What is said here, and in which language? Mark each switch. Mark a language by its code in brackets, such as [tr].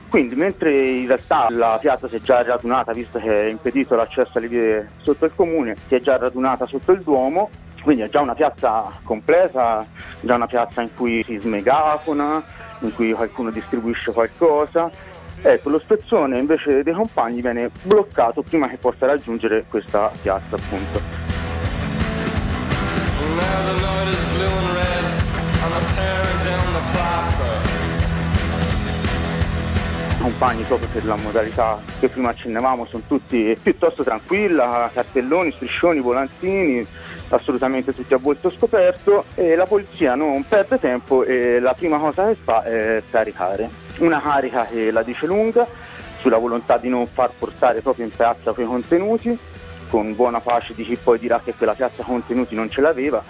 [it] Quindi mentre in realtà la piazza si è già radunata, visto che è impedito l'accesso alle vie sotto il comune, si è già radunata sotto il Duomo, quindi è già una piazza completa, già una piazza in cui si smegafona, in cui qualcuno distribuisce qualcosa. Ecco, lo spezzone invece dei compagni viene bloccato prima che possa raggiungere questa piazza appunto. [en] Now the night is blue and red, and I'm tearing down the plaster. [it] Compagni, proprio per la modalità che prima accennavamo, sono tutti piuttosto tranquilla, cartelloni, striscioni, volantini, assolutamente tutti a volto scoperto, e la polizia non perde tempo e la prima cosa che fa è caricare. Una carica che la dice lunga sulla volontà di non far portare proprio in piazza quei contenuti, con buona pace di chi poi dirà che quella piazza contenuti non ce l'aveva.